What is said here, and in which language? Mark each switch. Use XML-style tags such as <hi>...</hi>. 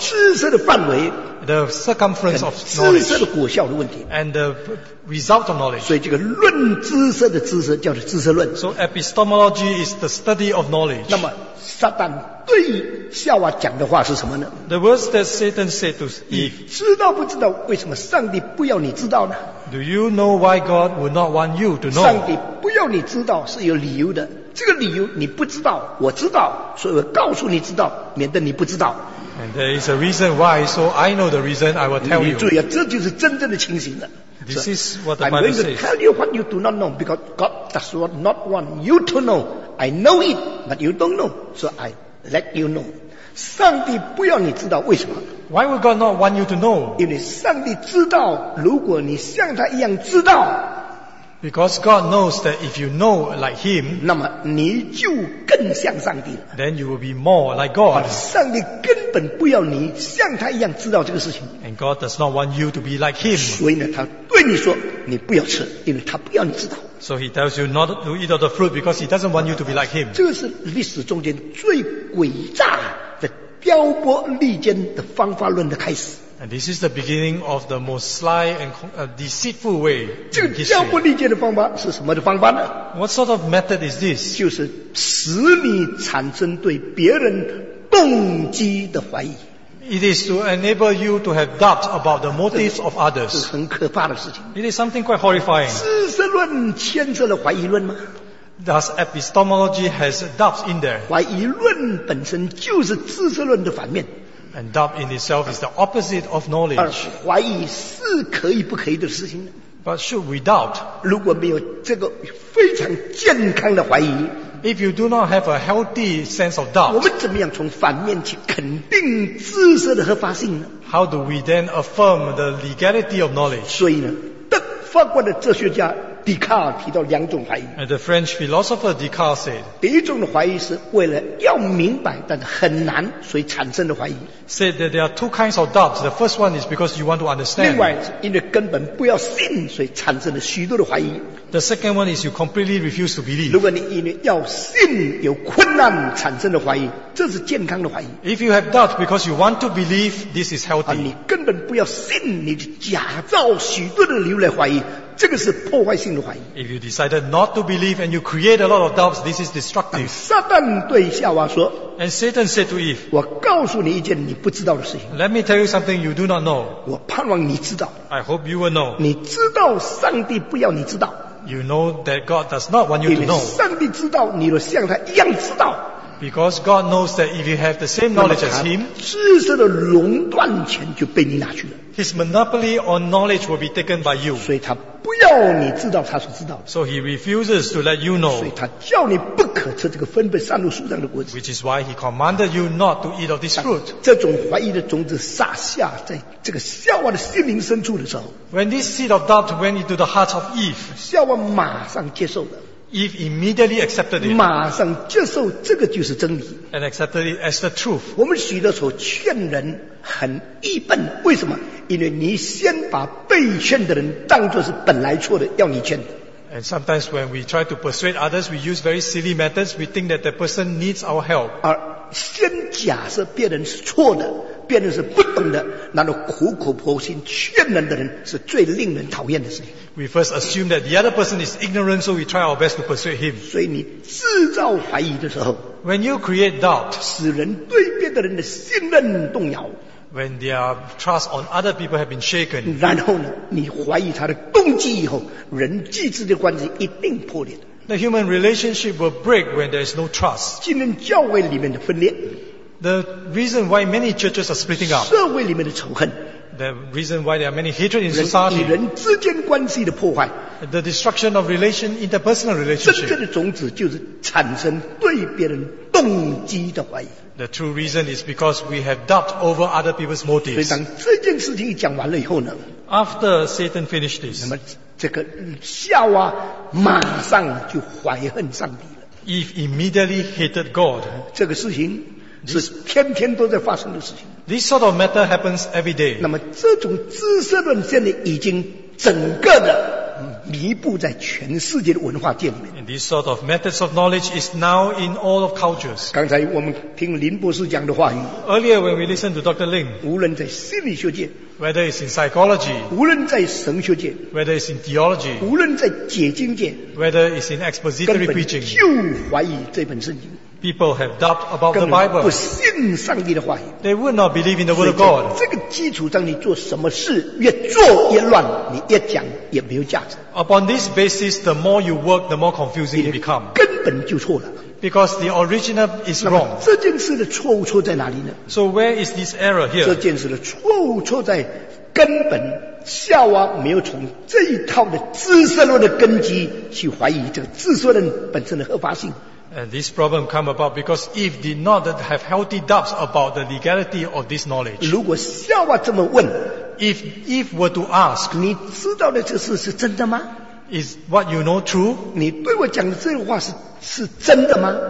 <zh>知识的范围,</zh> <en>the circumference of knowledge,</en> <zh>知识的果效的问题,</zh> <en>and the result of knowledge.</en> <zh>所以这个论知识的知识叫做知识论。</zh> <en>So epistemology is the study of knowledge.</en> <zh>那么撒旦对夏娃讲的话是什么呢？</zh> <en>The words that Satan said to Eve.</en> <zh>知道不知道为什么上帝不要你知道呢？</zh> <en>Do you know why God would not want you to know?</en> <zh>上帝不要你知道是有理由的。这个理由你不知道，我知道，所以我告诉你知道，免得你不知道。</zh> <en>And there is a reason why, so I know the reason, I will tell you.</en> <zh>你注意啊，这就是真正的情形了。</zh> <en>This is what the Bible says. I'm going to tell you what you do not know because God does not want you to know. I know it, but you don't know. So I let you know.</en> <zh>上帝不要你知道为什么？</zh> <en>Why would God not want you to know?</en> <zh>因为上帝知道，如果你像他一样知道，</zh> <en>Because God knows that if you know like him,</en> <zh>那么你就更像上帝了。</zh> <en>Then you will be more like God.</en> <zh>上帝根本不要你像他一样知道这个事情。</zh> <en>And God does not want you to be like him.</en> <zh>所以呢，他对你说，你不要吃，因为他不要你知道。</zh> <en>So he tells you not to eat of the fruit because he doesn't want you to be like him.</en> <zh>这是历史中间最诡诈的挑拨离间的方法论的开始。</zh> <en>And this is the beginning of the most sly and deceitful way.</en> <zh>这个挑拨离间的方法是什么的方法呢？</zh> <en>What sort of method is this?</en> <zh>就是使你产生对别人动机的怀疑。</zh> <en>It is to enable you to have doubt about the motives of others.</en> <zh>是很可怕的事情。</zh> <en>It is something quite horrifying.</en> <zh>知识论牵涉了怀疑论吗？</zh> <en>Thus, epistemology has doubts in there.</en> <zh>怀疑论本身就是知识论的反面。</zh> <en>And doubt in itself is the opposite of knowledge.</en> <zh>而怀疑是可以不可以的事情。</zh> <en>But should we doubt?</en> <zh>如果没有这个非常健康的怀疑。</zh> <en>If you do not have a healthy sense of doubt,</en> <zh>我们怎么样从反面去肯定知识的合法性呢？</zh> <en>How do we then affirm the legality of knowledge?</en> <zh>所以呢，法国的哲学家笛卡尔提到两种怀疑。</zh> <en>And the French philosopher Descartes said,</en> <zh>第一种的怀疑是为了要明白但很难所以产生的怀疑。</zh> <en>Said that there are two kinds of doubts. The first one is because you want to understand.</en> <zh>另外是因为根本不要信所以产生了许多的怀疑。</zh> <en>The second one is you completely refuse to believe.</en> <zh>如果你因为要信有困难产生的怀疑，这是健康的怀疑。</zh> <en>If you have doubt because you want to believe, this is healthy.</en> <zh>你根本不要信，你就假造许多的理由来怀疑，这个是破坏性的怀疑。</zh> <en>If you decided not to believe and you create a lot of doubts, this is destructive.</en> <zh>撒旦对夏娃说</zh> <en>，And Satan said to Eve,</en> <zh>我告诉你一件你不知道的事情。</zh> <en>Let me tell you something you do not know.</en> <zh>我盼望你知道。</zh> <en>I hope you will know.</en> <zh>你知道上帝不要你知道。</zh> <en>You know that God does not want you to know.</en> <zh>上帝知道，你都像他一样知道。</zh> <en>Because God knows that if you have the same knowledge as Him,</en> <zh>知识的垄断权就被你拿去了。</zh> <en>His monopoly on knowledge will be taken by you.</en> <zh>所以他不要你知道他所知道的。</zh> <en>So He refuses to let you know.</en> <zh>所以他叫你不可吃这个分别善恶树上的果子。</zh> <en>Which is why He commanded you not to eat of this fruit.</en> <zh>这种怀疑的种子撒下在这个夏娃的心灵深处的时候，</zh> <en>When this seed of doubt went into the heart of Eve,</en> <zh>夏娃马上接受了。</zh> <en>Eve immediately accepted it.</en> <zh>马上接受这个就是真理。</zh> <en>And accepted it as the truth.</en> <zh>我们许多时候劝人很愚笨，为什么？因为你先把被劝的人当作是本来错的，要你劝。</zh> <en>And sometimes when we try to persuade others, we use very silly methods. We think that the person needs our help.</en> <zh>而先假设别人是错的，别人是不懂的，然后苦口婆心劝人的人是最令人讨厌的事情。</zh> <en>We first assume that the other person is ignorant, so we try our best to persuade him.</en> <zh>所以你制造怀疑的时候，</zh> <en>When you create doubt,</en> <zh>使人对别的人的信任动摇。</zh> <en>When their trust on other people have been shaken.</en> <zh>然后呢，你怀疑他的动机以后，人际之间的关系一定破裂的。</zh> <en>The human relationship will break when there is no trust.</en> <zh>今天教会里面的分裂。</zh> <en>The reason why many churches are splitting up.</en> <zh>社会里面的仇恨。</zh> <en>The reason why there are many hatred in society.</en> <zh>人与人之间关系的破坏。</zh> <en>The destruction of relation, interpersonal relationship.</en> <zh>真正的种子就是产生对别人动机的怀疑。</zh> <en>The true reason is because we have doubt over other people's motives.</en> <zh>所以当这件事情一讲完了以后呢，</zh> <en>After Satan finished this,</en> <zh>那么这个夏娃马上就怀恨上帝了。</zh> <en>Eve immediately hated God.</en> <zh>这个事情是天天都在发生的事情。</zh> <en>This sort of matter happens every day.</en> <zh>那么这种知识论现在已经整个的弥布在全世界的文化界里面。</zh> <en>And this sort of methods of knowledge is now in all of cultures.</en> <zh>刚才我们听林博士讲的话语。</zh> <en>Earlier when we listened to Dr. Ling,</en> <zh>无论在心理学界，</zh> <en>whether it's in psychology,</en> <zh>无论在神学界，</zh> <en>whether it's in theology,</en> <zh>无论在解经界，</zh> <en>whether it's in expository preaching,</en> <zh>根本就怀疑这本圣经。</zh> <en>People have doubt about the Bible.</en> <zh>不信上帝的话语。</zh> <en>They would not believe in the word of God.</en> <zh>这个基础上，你做什么事越做越乱，你越讲也没有价值。</zh> <en>Upon this basis, the more you work, the more confusing it becomes.</en> <zh>根本就错了。</zh> <en>Because the original is wrong.</en> <zh>这件事的错误错在哪里呢？</zh> <en>So where is this error here?</en> <zh>这件事的错误错在根本，夏娃没有从这一套的知识论的根基去怀疑这个知识论本身的合法性。</zh> <en>And this problem come about because Eve did not have healthy doubts about the legality of this knowledge.</en> <zh>如果夏娃这么问，</zh> <en>If Eve were to ask,</en> <zh>你知道的这事是真的吗？</zh> <en>Is what you know true?</en> <zh>你对我讲的这话是真的吗？</zh>